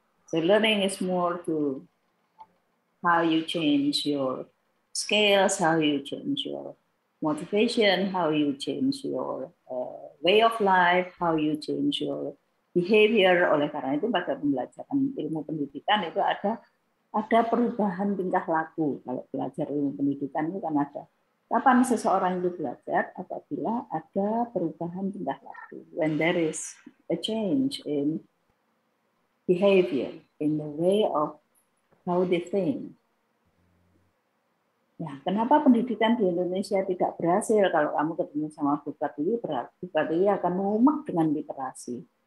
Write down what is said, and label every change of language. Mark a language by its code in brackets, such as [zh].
[en] So learning is more to how you change your skills, how you change your motivation, how you change your way of life, how you change your behavior. [id] Oleh karena itu pada pembelajaran ilmu pendidikan itu ada perubahan tingkah laku. Kalau belajar ilmu pendidikan itu kan ada. Kapan seseorang itu belajar? Apabila ada perubahan tingkah laku. [en] When there is a change in behavior, in the way of how they think. [id] Nah, kenapa pendidikan di Indonesia tidak berhasil? Kalau kamu ketemu sama Bupati, Bupati akan mumek dengan literasi.